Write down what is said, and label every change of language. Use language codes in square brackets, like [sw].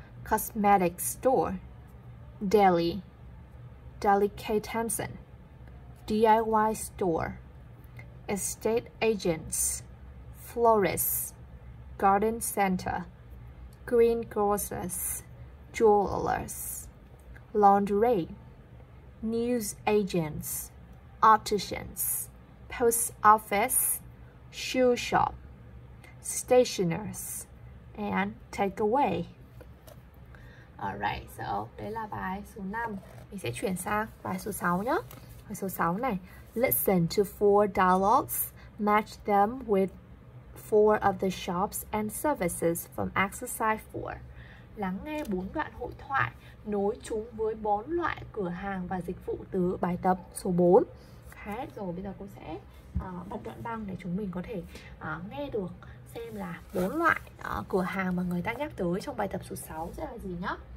[en] cosmetic store, deli, delicatessen, DIY store, estate agents, florists, garden center, green grocers, jewelers, laundrette, news agents, opticians, post office, shoe shop, stationers, and takeaway. Alright, so [vi] đấy là bài số 5. Mình sẽ chuyển sang bài số 6 nhé. Bài số 6 này. [en] Listen to 4 dialogues, match them with 4 of the shops and services from exercise 4. [vi] Lắng nghe 4 đoạn hội thoại, nối chúng với 4 loại cửa hàng và dịch vụ từ bài tập số 4. Okay, rồi bây giờ cô sẽ bật đoạn băng để chúng mình có thể nghe được xem là 4 loại cửa hàng mà người ta nhắc tới trong bài tập số 6 sẽ là gì nhá.